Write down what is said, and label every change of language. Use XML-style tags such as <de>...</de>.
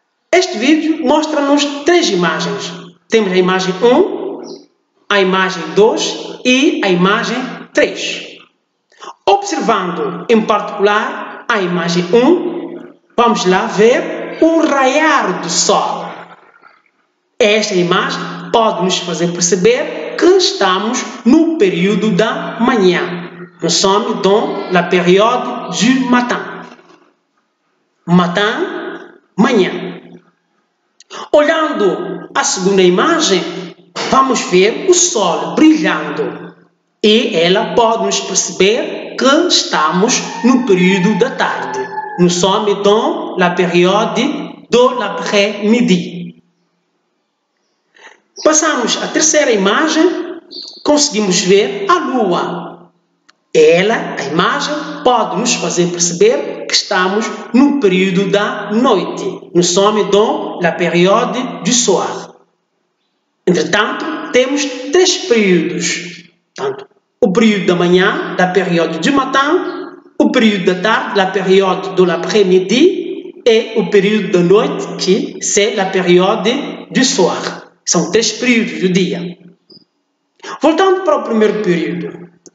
<pt>Este vídeo mostra-nos três imagens. Temos a imagem 1, a imagem 2 e a imagem 3. Observando em particular a imagem 1, vamos lá ver o raiar do sol. Esta imagem pode nos fazer perceber que estamos no período da manhã.</pt> <fr>Nous sommes dans la période du matin. Matin, manhã.</fr> <pt>Olhando a segunda imagem, vamos ver o sol brilhando. E ela pode nos perceber que estamos no período da tarde.</pt> <fr>Nous sommes dans la période de l'après-midi.</fr> <pt>Passamos à terceira imagem, conseguimos ver a lua. Ela, a imagem, pode nos fazer perceber que estamos no período da noite.</pt> <fr>Nous sommes dans la période du soir.</fr> <pt>Entretanto, temos três períodos. Tanto o período da manhã,</pt> <fr>la période du matin,</fr> <pt>o período da tarde,</pt> <fr>la période de l'après-midi,</fr> <pt>e o período da noite, que é</pt> <fr>la période du soir.</fr> <pt>São três períodos do dia. Voltando para o primeiro período.</pt>